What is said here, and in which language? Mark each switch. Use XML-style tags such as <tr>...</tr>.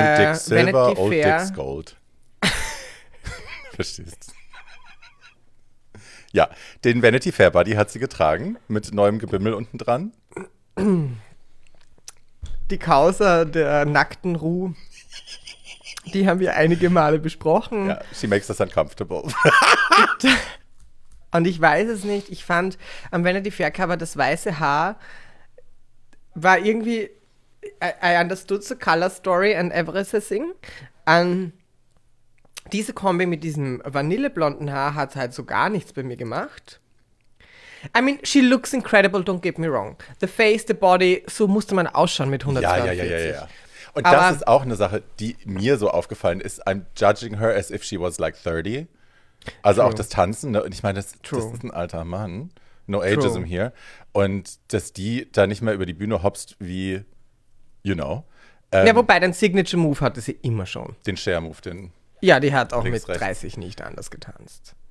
<en>Dick Silver, Vanity Fair. Old Dick's Gold.</en> <de>Verstehst. Ja, den Vanity Fair Buddy hat sie getragen, mit neuem Gebimmel unten dran. Die Causa der nackten Ruh, die haben wir einige Male besprochen.</de> <en>Ja, she makes us uncomfortable.</en> <de>Und ich weiß es nicht, ich fand am Vanity Fair Cover das weiße Haar war irgendwie,</de> <en>I understood the color story and everything.</en> <de>Diese Kombi mit diesem vanilleblonden Haar hat halt so gar nichts bei mir gemacht.</de> <en>I mean, she looks incredible, don't get me wrong. The face, the body,</en> <de>so musste man ausschauen mit 142. Ja. Und aber das ist auch eine Sache, die mir so aufgefallen ist.</de> <en>I'm judging her as if she was like 30. Also true.</en> <de>Auch das Tanzen, ne? Und ich meine, das ist ein alter Mann.</de> <en>No ageism here.</en> <de>Und dass die da nicht mehr über die Bühne hopst wie,</de> <en>you know.</en> <de>Ja, wobei, den Signature-Move hatte sie immer schon. Den Share-Move, den... Ja, die hat auch links, mit 30 rechts. Nicht anders getanzt.</de>